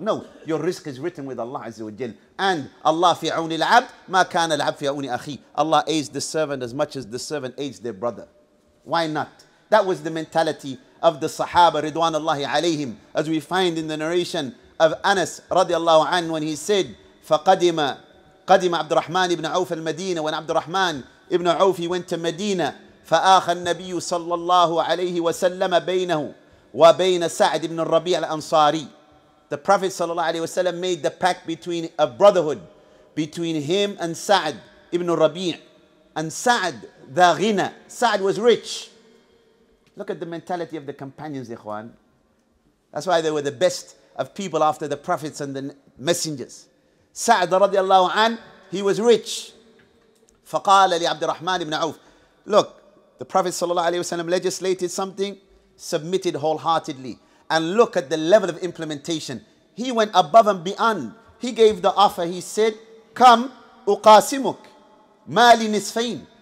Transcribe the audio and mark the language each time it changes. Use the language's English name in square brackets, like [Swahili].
[English] No, your risk is written with Allah Azza wa Jal. [Arabic] And Allah fi auni al-abd ma kana al-abd fi auni akhi. [English] Allah aids the servant as much as the servant aids their brother. Why not? That was the mentality of the Sahaba ridwanullahi alayhim, as we find in the narration of Anas radiallahu anhu, when he said, [Arabic] فَقَدِمَ قَدِمَ عَبْدُ الرَّحْمَنِ ibn Auf al-Madinah. [English] When عبد الرحمن ibn Auf, he went to Medina, [Arabic] فآخى النبي صلى الله عليه وسلم بينه وبين سعد بن الربيع الأنصاري. [English] The Prophet صلى الله عليه وسلم made the pact between a brotherhood between him and سعد ibn الربيع. [Arabic] And سعد ذا غنى. [English] سعد was rich. Look at the mentality of the companions, Ikhwan. That's why they were the best of people after the prophets and the messengers. سعد رضي الله عنه, he was rich. [Arabic] فقال لعبد الرحمن بن عوف. [English] Look, the Prophet sallallahu alaihi wasallam legislated something, submitted wholeheartedly. And look at the level of implementation. He went above and beyond. He gave the offer. He said, come, [Arabic] uqasimuk, mali nisfain.